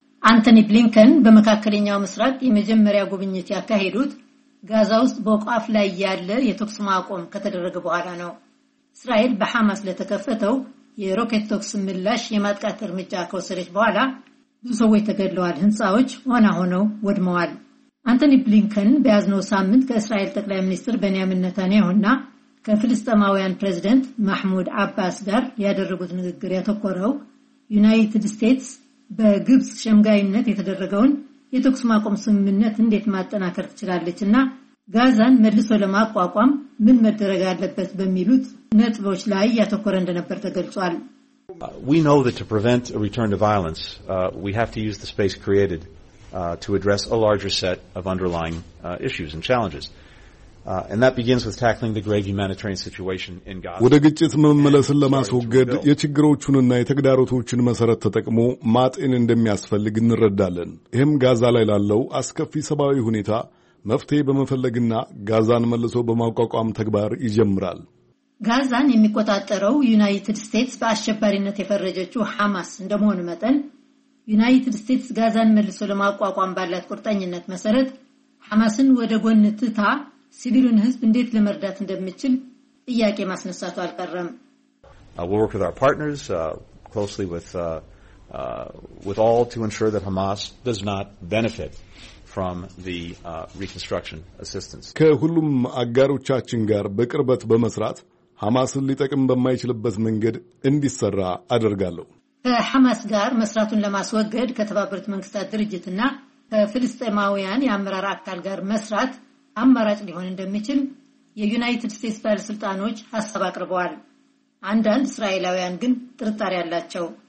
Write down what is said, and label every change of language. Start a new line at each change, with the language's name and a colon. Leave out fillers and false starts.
Amharic: አንቶኒ ብሊንከን በመካከለኛው ምስራቅ የመጀመሪያ ጉብኝት ያካሄዱት ጋዛ ውስጥ በቋፍ ላይ ያለ የተኩስ ማቆም ከተደረገ በኋላ ነው። እስራኤል በሐማስ ለተከፈተው የሮኬት ተኩስ ምላሽ የማጥቃት እርምጃ ከወሰደች በኋላ ብዙ ሰዎች ተገድለዋል፣ ህንፃዎች ዋና ሆነው ወድመዋል። አንቶኒ ብሊንከን በያዝነው ሳምንት ከእስራኤል ጠቅላይ ሚኒስትር ቤንያሚን ነታንያሁ እና ከፍልስጤማውያን ፕሬዚደንት ማህሙድ አባስ ጋር ያደረጉት ንግግር ያተኮረው ዩናይትድ ስቴትስ በግብፅ ሸምጋይነት የተደረገውን የተኩስ ማቆም ስምምነት እንዴት ማጠናከር ትችላለች እና ጋዛን መልሶ ለማቋቋም ምን መደረግ አለበት በሚሉት ነጥቦች ላይ ያተኮረ እንደነበር ተገልጿል።
English: We know that to prevent a return to violence, we have to use the space created to address a larger set of underlying issues and challenges. And that begins with tackling the grave humanitarian situation in Gaza.
Amharic: ወደ ግጭት መመለስን ለማስወገድ የችግሮቹንና የተግዳሮቶቹን መሰረት ተጠቅሞ ማጤን እንደሚያስፈልግ እንረዳለን። ይህም ጋዛ ላይ ላለው አስከፊ ሰብአዊ ሁኔታ መፍትሄ በመፈለግና ጋዛን መልሶ በማቋቋም ተግባር ይጀምራል። ጋዛን የሚቆጣጠረው ዩናይትድ ስቴትስ በአሸባሪነት የፈረጀችው ሐማስ እንደመሆኑ መጠን ዩናይትድ ስቴትስ ጋዛን መልሶ ለማቋቋም ባላት ቁርጠኝነት መሰረት ሐማስን ወደ ጎን ትታ ሲቪሉን ህዝብ እንዴት ለመርዳት እንደምችል ጥያቄ ማስነሳቱ አልቀረም።
English: We'll work with our partners closely with all to ensure that Hamas does not benefit from the reconstruction assistance.
Amharic: ከሁሉም አጋሮቻችን ጋር በቅርበት በመስራት ሐማስን ሊጠቅም በማይችልበት መንገድ እንዲሰራ አደርጋለሁ። ከሐማስ ጋር መስራቱን ለማስወገድ ከተባበሩት መንግስታት ድርጅትና ከፍልስጤማውያን የአመራር አካል ጋር መስራት አማራጭ ሊሆን እንደሚችል የዩናይትድ ስቴትስ ባለስልጣኖች ሐሳብ አቅርበዋል። አንዳንድ እስራኤላውያን ግን ጥርጣሬ አላቸው።